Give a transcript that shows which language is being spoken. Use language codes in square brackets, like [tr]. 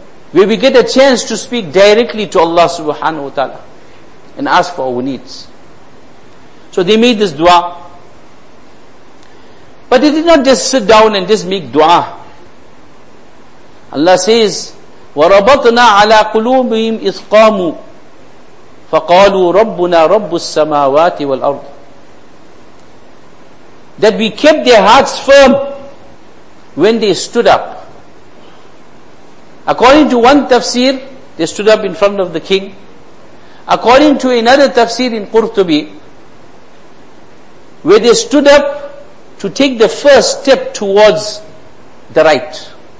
[en] Where we get a chance to speak directly to Allah subhanahu wa ta'ala and ask for our needs. So they made this dua. But they did not just sit down and just make dua. Allah says, [ar] وَرَبَطْنَا عَلَىٰ قُلُوبِهِمْ إِذْ قَامُوا فَقَالُوا رَبُّنَا رَبُّ السَّمَاوَاتِ وَالْأَرْضِ. [en] That we kept their hearts firm when they stood up. According to one tafsir, they stood up in front of the king. According to another tafsir in Qurtubi, where they stood up to take the first step towards the right.